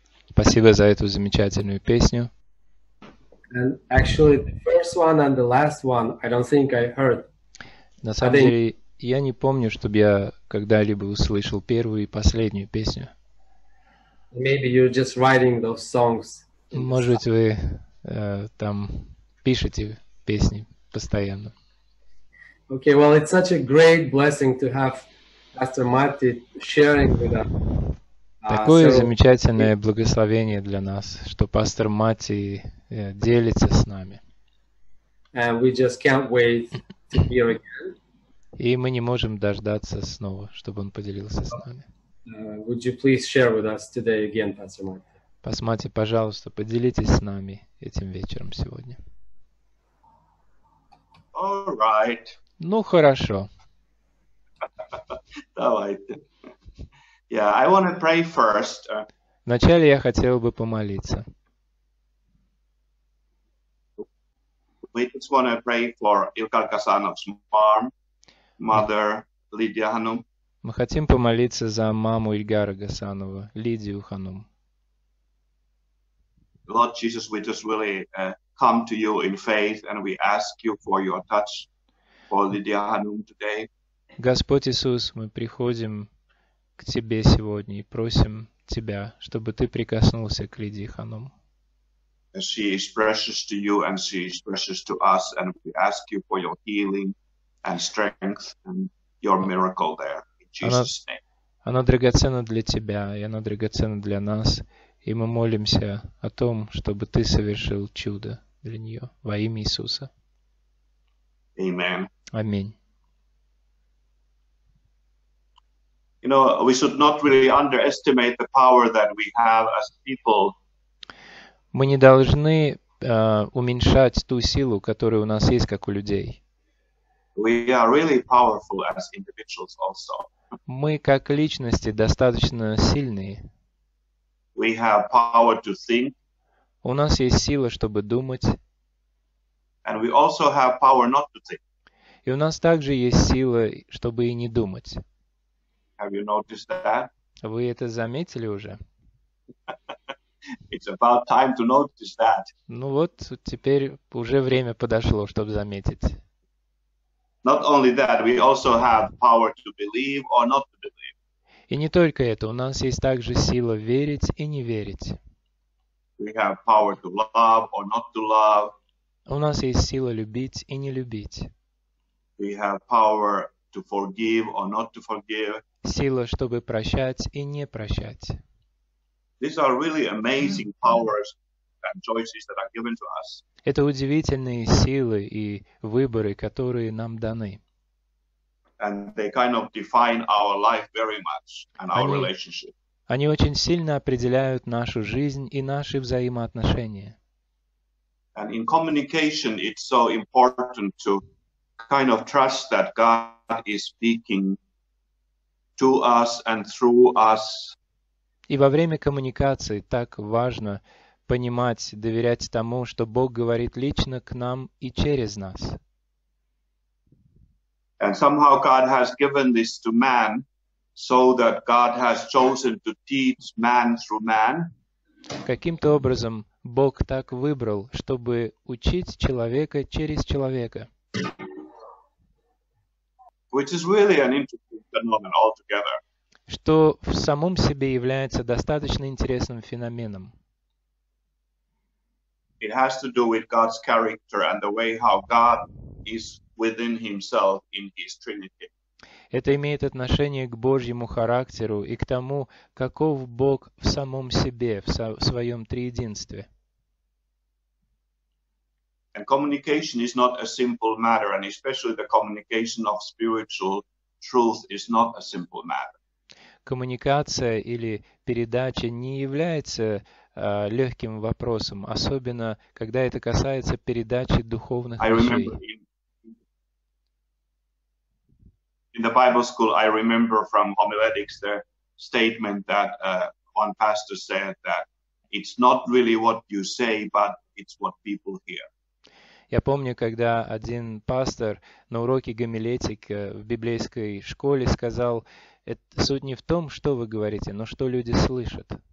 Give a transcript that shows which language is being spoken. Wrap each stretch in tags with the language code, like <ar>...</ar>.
<ru>Спасибо за эту замечательную песню.</ru> <en>And actually, the first one and the last one, I don't think I heard.</en> <ru>На самом деле, я не помню, чтобы я когда-либо услышал первую и последнюю песню.</ru> <en>Maybe you're just writing those songs.</en> <ru>Может, вы там пишете песни постоянно.</ru> <en>Okay, well, it's such a great blessing to have Pastor Matti sharing with us.</en> <ru>Такое замечательное благословение для нас, что пастор Матти делится с нами.</ru> <en>And we just can't wait to hear again.</en> <ru>И мы не можем дождаться снова, чтобы он поделился с нами.</ru> <en>Would you please share with us today again, Pastor Matti?</en> <ru>Пастор Матти, пожалуйста, поделитесь с нами этим вечером сегодня.</ru> <en>All right.</en> <ru>Ну, хорошо. Давайте.</ru> <en>Yeah, I want to pray first.</en> <ru>Вначале я хотел бы помолиться.</ru> <en>We just want to pray for Ilkka Kasanov's mom, mother Lydia Hanum.</en> <ru>Мы хотим помолиться за маму Ильгара Гасанова, Лидию Ханум.</ru> <en>Lord Jesus, we just really come to you in faith and we ask you for your touch for Lydia Hanum today.</en> <ru>Господь Иисус, мы приходим к Тебе сегодня и просим Тебя, чтобы Ты прикоснулся к Лидии Ханум.</ru> <en>She is precious to you and she is precious to us and we ask you for your healing and strength and your miracle there in Jesus' name.</en> <ru>Она драгоценна для Тебя и она драгоценна для нас, и мы молимся о том, чтобы Ты совершил чудо для нее во имя Иисуса.</ru> <en>Amen.</en> <ru>Аминь.</ru> <en>You know, we should not really underestimate the power that we have as people.</en> <ru>Мы не должны уменьшать ту силу, которая у нас есть как у людей.</ru> <en>We are really powerful as individuals also.</en> <ru>Мы как личности достаточно сильные.</ru> <en>We have power to think.</en> <ru>У нас есть сила, чтобы думать.</ru> <en>And we also have power not to think.</en> <ru>И у нас также есть сила, чтобы и не думать.</ru> <en>Have you noticed that?</en> <ru>Вы это заметили уже?</ru> <en>It's about time to notice that.</en> <ru>Ну вот, теперь уже время подошло, чтобы заметить.</ru> <en>Not only that, we also have power to believe or not to believe.</en> <ru>И не только это, у нас есть также сила верить и не верить.</ru> <en>We have power to love or not to love.</en> <ru>У нас есть сила любить и не любить.</ru> <en>We have power to forgive or not to forgive.</en> <ru>Сила, чтобы прощать и не прощать.</ru> <en>These are really amazing powers and choices that are given to us.</en> <ru>Это удивительные силы и выборы, которые нам даны.</ru> <en>And they kind of define our life very much and our relationship.</en> <ru>Они очень сильно определяют нашу жизнь и наши взаимоотношения.</ru> <en>And in communication it's so important to kind of trust that God is speaking to us and through us.</en> <ru>И во время коммуникации так важно понимать, доверять тому, что Бог говорит лично к нам и через нас.</ru> <en>And somehow God has given this to man, so that God has chosen to teach man through man.</en> <ru>Каким-то образом Бог так выбрал, чтобы учить человека через человека.</ru> <en>Which is really an interesting phenomenon altogether.</en> <ru>Что в самом себе является достаточно интересным феноменом.</ru> <en>It has to do with God's character and the way how God is within himself in his Trinity.</en> <ru>Это имеет отношение к Божьему характеру и к тому, каков Бог в самом себе, в своем триединстве.</ru> <en>And communication is not a simple matter, and especially the communication of spiritual truth is not a simple matter.</en> <ru>Коммуникация или передача не является легким вопросом, особенно когда это касается передачи духовных вещей.</ru> <en>I remember in the Bible school, I remember from homiletics the statement that one pastor said that it's not really what you say, but it's what people hear.</en> <ru>Я помню, когда один пастор на уроке гомилетики в библейской школе сказал: «Суть не в том, что вы говорите, но что люди слышат».</ru>